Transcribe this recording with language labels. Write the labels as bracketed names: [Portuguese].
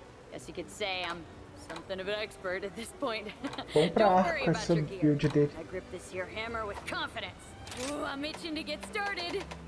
[English] Guess you could say I'm something of an expert at this point. [Portuguese] Bom pra arco essa build dele. [English] I grip this here hammer with confidence. Ooh, I'm itching to get started.